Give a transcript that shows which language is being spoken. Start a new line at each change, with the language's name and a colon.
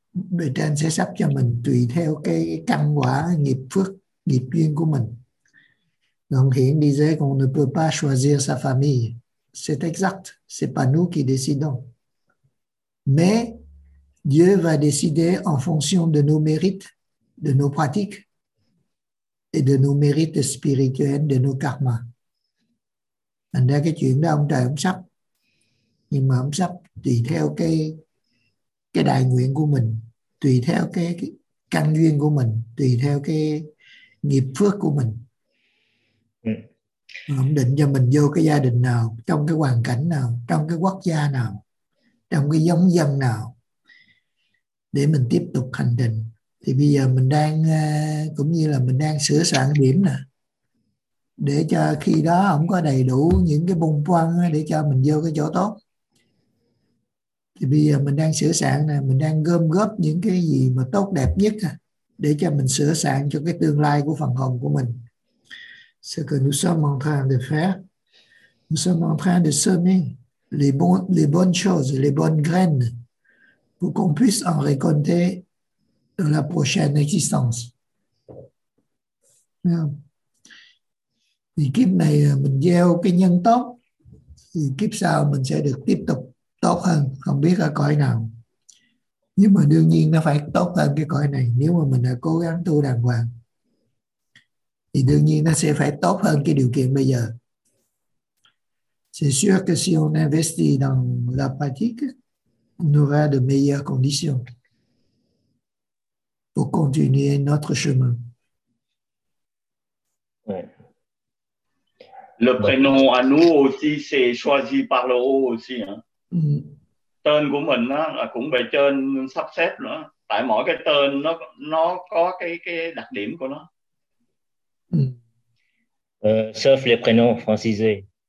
Vietnamese: Bề trên sẽ sắp cho mình tùy theo cái căn quả, nghiệp phước, nghiệp duyên của mình.
French: Donc
Vietnamese: hiện đi dễ
French: qu'on ne peut pas choisir sa famille. C'est exact, c'est pas nous qui décidons. Mais Dieu va décider en fonction de nos mérites, de nos pratiques et de nos mérites spirituels, de nos karmas.
Vietnamese: Thành ra cái chuyện đó ông trời ông sắp, nhưng mà ông sắp tùy theo cái đại nguyện của mình, tùy theo cái căn duyên của mình, tùy theo cái nghiệp phước của mình. Ông định cho mình vô cái gia đình nào, trong cái hoàn cảnh nào, trong cái quốc gia nào, trong cái giống dân nào để mình tiếp tục hành trình. Thì bây giờ mình đang cũng như là mình đang sửa soạn điểm nè, để cho khi đó ông có đầy đủ những cái bùng quăng để cho mình vô cái chỗ tốt. Thì bây giờ mình đang sửa soạn nè, mình đang gom góp những cái gì mà tốt đẹp nhất để cho mình sửa soạn cho cái tương lai của phần hồn của mình.
French: Ce que nous sommes en train de faire, nous sommes en train de semer les bonnes choses, les bonnes graines, pour qu'on puisse en récolter dans la prochaine existence.
Vietnamese: Thì kiếp này mình gieo cái nhân tốt, thì kiếp sau mình sẽ được tiếp tục tốt hơn, không biết ở cõi nào. Nhưng mà đương nhiên nó phải tốt hơn cái cõi này, nếu mà mình đã cố gắng tu đàng hoàng. Thì đương nhiên nó sẽ phải tốt hơn cái điều kiện bây giờ.
French: C'est sûr que si on investit dans la pratique, on aura de meilleures conditions pour continuer notre chemin. Le prénom à nous aussi, c'est choisi par le haut aussi.
Vietnamese: Tên của mình cũng bề trên sắp xếp nữa. Tại mỗi cái tên nó có cái đặc điểm của nó.
French: Sauf les prénoms francisés.